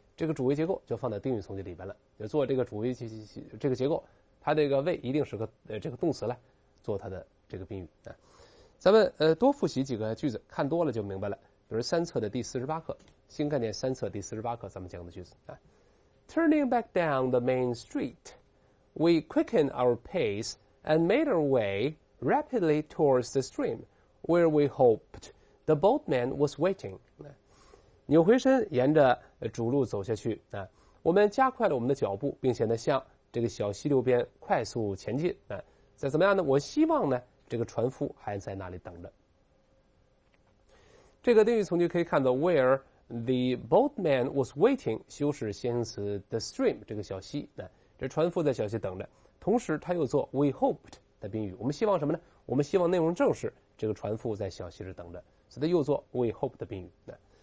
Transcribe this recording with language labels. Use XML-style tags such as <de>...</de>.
<zh>这个主谓结构就放在定语从句里边了。做这个主谓这个结构，它这个谓一定是个这个动词来做它的这个宾语啊。咱们多复习几个句子，看多了就明白了。比如三册的第48课，新概念三册第48课咱们讲的句子啊。</zh> <en>Turning back down the main street, we quickened our pace and made our way rapidly towards the stream where we hoped the boatman was waiting.</en> <zh>扭回身沿着主路走下去啊，我们加快了我们的脚步，并且呢向这个小溪流边快速前进啊。再怎么样呢，我希望呢这个船夫还在那里等着。这个定语从句可以看到</zh> <en>where the boatman was waiting</en> <zh>修饰先行词 the stream 这个小溪啊，这船夫在小溪等着，同时他又做</zh> <en>we hoped</en> <zh>的宾语，我们希望什么呢，我们希望内容正是这个船夫在小溪里等着，所以他又做 we hoped 的宾语啊。</zh>